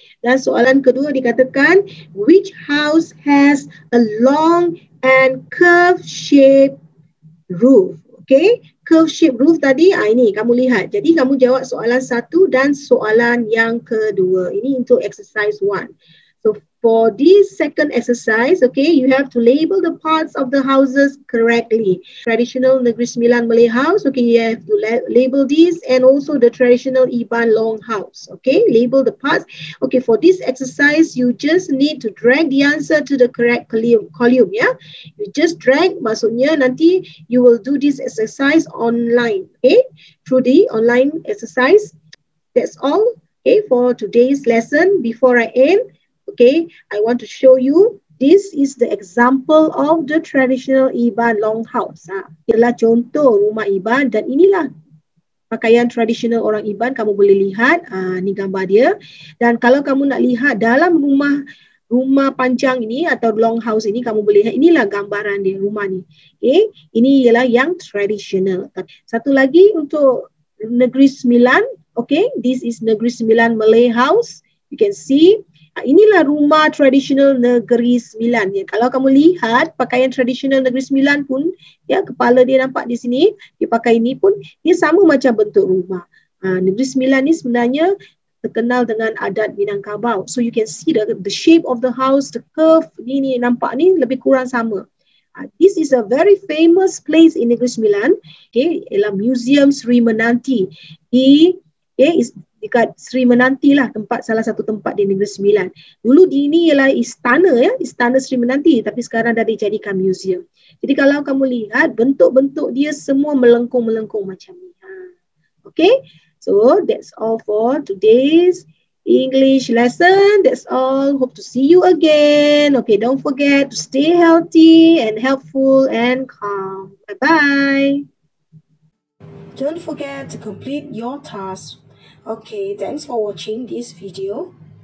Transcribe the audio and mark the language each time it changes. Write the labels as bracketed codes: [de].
[ms] Dan soalan kedua dikatakan, [en] which house has a long and curved shape roof? [ms] Okay, [en] curved shape roof [ms] tadi, ini kamu lihat. Jadi kamu jawab soalan satu dan soalan yang kedua. Ini untuk exercise 1. [en] So for this second exercise, okay, you have to label the parts of the houses correctly. Traditional Negeri Sembilan Malay house, okay, you have to label this, and also the traditional Iban long house, okay, label the parts. Okay, for this exercise, you just need to drag the answer to the correct column, yeah. You just drag, [ms] maksudnya nanti [en] you will do this exercise online, okay, through the online exercise. That's all, okay, for today's lesson. Before I end, okay, I want to show you, this is the example of the traditional Iban long house. [ms] Ialah contoh rumah Iban, dan inilah pakaian tradisional orang Iban. Kamu boleh lihat, ni gambar dia. Dan kalau kamu nak lihat dalam rumah panjang ini atau long house ini, kamu boleh lihat inilah gambaran dia, rumah ni. Okay, ini ialah yang tradisional. Satu lagi untuk [en] Negeri Sembilan, okay, this is Negeri Sembilan Malay house. You can see, [ms] inilah rumah tradisional Negeri Sembilan. Ya, kalau kamu lihat pakaian tradisional Negeri Sembilan pun, ya, kepala dia nampak di sini, dia pakai ini pun, dia sama macam bentuk rumah. Negeri Sembilan ni sebenarnya terkenal dengan adat Minangkabau. [en] So you can see the shape of the house, the curve [ms] ni nampak ni lebih kurang sama. [en] This is a very famous place in Negeri Sembilan. [ms] Okay, ialah Museum Sri Menanti. Dekat Sri Menanti lah tempat, salah satu tempat di Negeri Sembilan. Dulu di ini ialah istana, ya, istana Sri Menanti, tapi sekarang dah dijadikan museum. Jadi kalau kamu lihat bentuk-bentuk dia semua melengkung-melengkung macam ni. [en] Okay, so that's all for today's English lesson. That's all. Hope to see you again. Okay, don't forget to stay healthy and helpful and calm. Bye-bye. Don't forget to complete your task. Okay, thanks for watching this video.